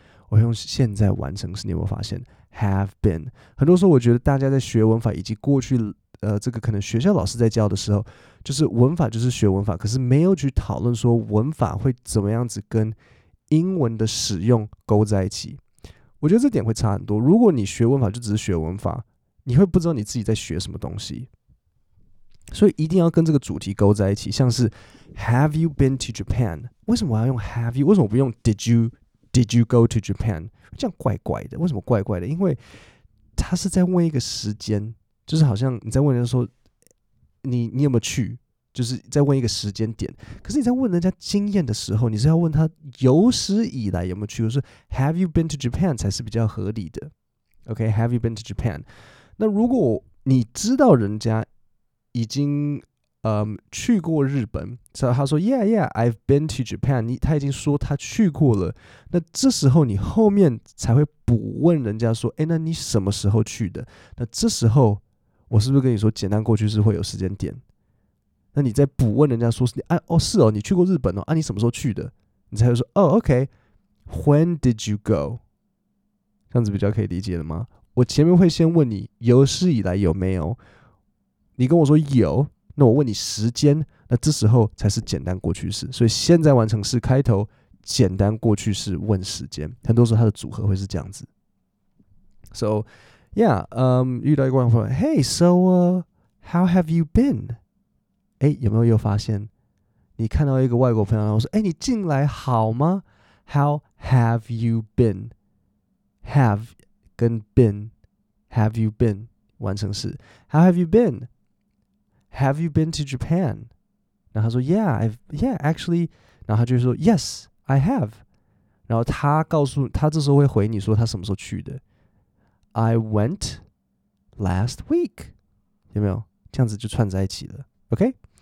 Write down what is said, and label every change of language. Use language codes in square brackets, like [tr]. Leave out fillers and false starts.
[zh] 我用现在完成式，你有没有发现 [en] Have been? [zh] 很多时候我觉得大家在学文法以及过去这个可能学校老师在教的时候，就是文法就是学文法，可是没有去讨论说文法会怎么样子跟英文的使用勾在一起。我觉得这点会差很多。如果你学文法就只是学文法，你会不知道你自己在学什么东西，所以一定要跟这个主题勾在一起。像是 [en] Have you been to Japan? [zh] 为什么我要用 Have you? 为什么不用 [en] Did you go to Japan? [zh] 这样怪怪的。为什么怪怪的？因为他是在问一个时间，就是好像你在问人家说 你有没有去，就是在问一个时间点。可是你在问人家经验的时候，你是要问他有史以来有没有去，就是 [en] Have you been to Japan [zh] 才是比较合理的。 [en] OK, Have you been to Japan? [zh] 那如果你知道人家已经去过日本，所以他说 [en] Yeah, yeah, I've been to Japan, [zh] 他已经说他去过了，那这时候你后面才会补问人家说，哎，那你什么时候去的？那这时候我是不是跟你说简单过去是会有时间点？那你再补问人家说，啊，哦，是哦，你去过日本哦，啊，你什么时候去的？你才会说，哦， [en] OK, when did you go? [zh] 这样子比较可以理解了吗？我前面会先问你有史以来有没有，你跟我说有，那我问你时间，那这时候才是简单过去式。所以现在完成式开头简单过去式问时间，很多时候它的组合会是这样子。 [en] So, yeah, [zh] 遇到一个朋友说 [en] ，Hey, so, how have you been? [zh] 哎，有没有又发现？你看到一个外国朋友，然后说，哎，你近来好吗 ？ [en] How have you been? Have 跟 been, have you been 完成式 ？How have you been? Have you been to Japan? [zh] 然后他说 ， [en] Yeah, actually. [zh] 然后他就说 ， [en] Yes. I have. [zh] 然后他告诉他这时候会回你说他什么时候去的。 [en] I went last week. [zh] 有没有？这样子就串在一起了。OK?